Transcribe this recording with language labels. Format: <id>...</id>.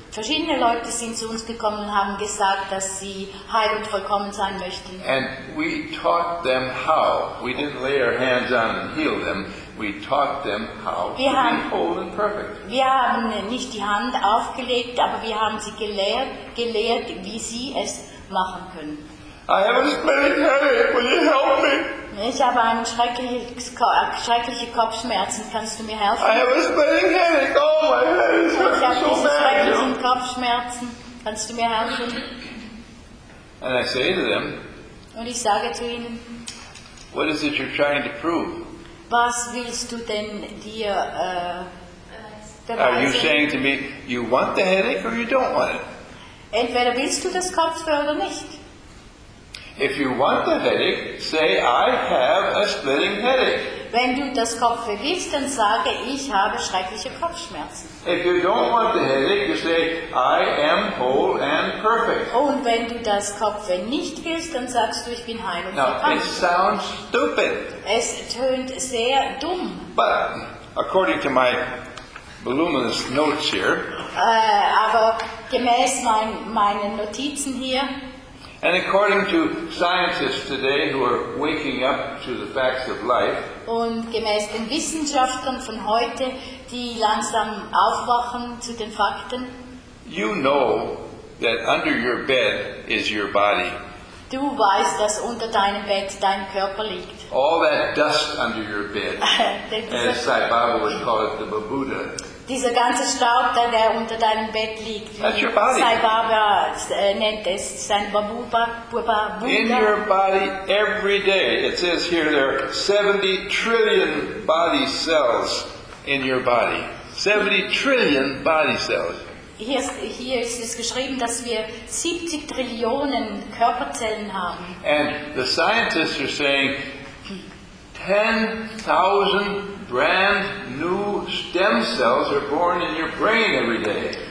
<de>Verschiedene Leute sind zu uns gekommen und haben gesagt, dass sie heil und vollkommen sein möchten.</de> <en>And we taught them how. We didn't lay our hands on and heal them. We taught them how to be whole and perfect.</en> <de>Wir haben nicht die Hand aufgelegt, aber wir haben sie gelehrt, wie sie es machen können.</de> <en>I have a splitting headache. Will you help me?</en> <de>Ich habe einen schreckliche Kopfschmerzen. Kannst du mir helfen?</de> <en>I have a splitting headache. Oh, my head is hurting so bad.</en> <de>Ich habe schreckliche Kopfschmerzen. Kannst du mir helfen?</de> <en>And I say to them.</en> <de>Und ich sage zu ihnen.</de> <en>What is it you're trying to prove?</en> <de>Was willst du denn dir beweisen?</de> <en>Are you saying to me, you want the headache or you don't want it?</en> <de>Entweder willst du das Kopfweh oder nicht.</de> <en>If you want the headache, say I have a splitting headache.</en> <de>Wenn du das Kopfweh willst, dann sage ich habe schreckliche Kopfschmerzen.</de> <en>If you don't want the headache, you say I am whole and perfect.</en> <de>Und wenn du das Kopfweh nicht willst, dann sagst du ich bin heil und</de> <en>vollkommen. Now it sounds stupid.</en> <de>Es tönt sehr dumm.</de> <en>But according to my voluminous notes here.</en> <de>Aber gemäß meinen Notizen hier.</de> <en>And according to scientists today who are waking up to the facts of life,</en> <de>und gemäß den Wissenschaftlern von heute, die langsam aufwachen zu den Fakten,</de> <en>you know that under your bed is your body.</en> <de>Du weißt, dass unter deinem Bett dein Körper liegt.</de> <en>All that dust under your bed, as Sai Baba would call it, the Babuda.</en> <de>Dieser ganze Staub, der unter deinem Bett liegt, Sai Baba nennt es sein Babuba.</de> <en>In your body every day, it says here there are 70 trillion body cells in your body. 70 trillion body cells.</en> <de>Hier ist es geschrieben, dass wir 70 Trillionen Körperzellen haben.</de> <en>And the scientists are saying 10,000 brand new stem cells are born in your brain every day.</en>